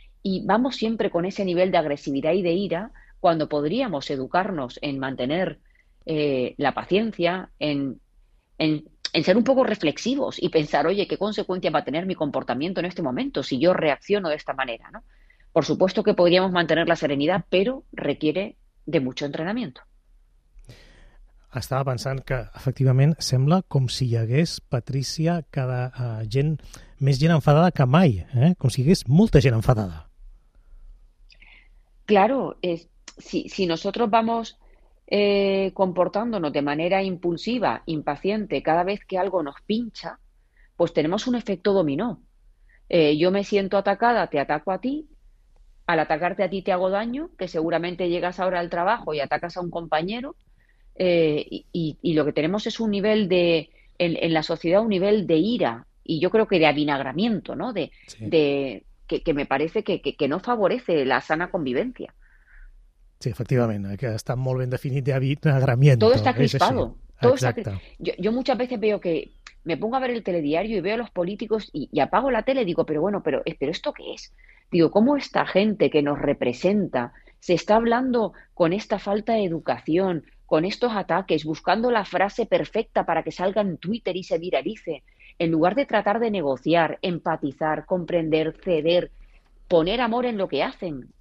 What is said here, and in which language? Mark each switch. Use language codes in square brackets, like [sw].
[es] Y vamos siempre con ese nivel de agresividad y de ira cuando podríamos educarnos en mantener la paciencia, en ser un poco reflexivos y pensar, oye, ¿qué consecuencia va a tener mi comportamiento en este momento si yo reacciono de esta manera, ¿no? Por supuesto que podríamos mantener la serenidad, pero requiere de mucho entrenamiento. [ca] Estava pensant que, efectivament, sembla com si hi hagués, Patrícia, cada gent, més gent enfadada que mai, eh? Com si hi hagués molta gent enfadada. [es] Claro, si nosotros vamos comportándonos de manera impulsiva, impaciente, cada vez que algo nos pincha, pues tenemos un efecto dominó. Yo me siento atacada, te ataco a ti, al atacarte a ti te hago daño, que seguramente llegas ahora al trabajo y atacas a un compañero, y lo que tenemos es un nivel de, en la sociedad, un nivel de ira, y yo creo que de avinagramiento, ¿no? Que me parece que no favorece la sana convivencia. [ca] Sí, efectivament, que està molt ben definit d'avinagramiento. [es] Todo está crispado. Yo muchas veces veo que me pongo a ver el telediario y veo a los políticos y apago la tele y digo, pero bueno, pero ¿esto qué es? Digo, ¿cómo esta gente que nos representa se está hablando con esta falta de educación, con estos ataques, buscando la frase perfecta para que salga en Twitter y se viralice, en lugar de tratar de negociar, empatizar, comprender, ceder, poner amor en lo que hacen?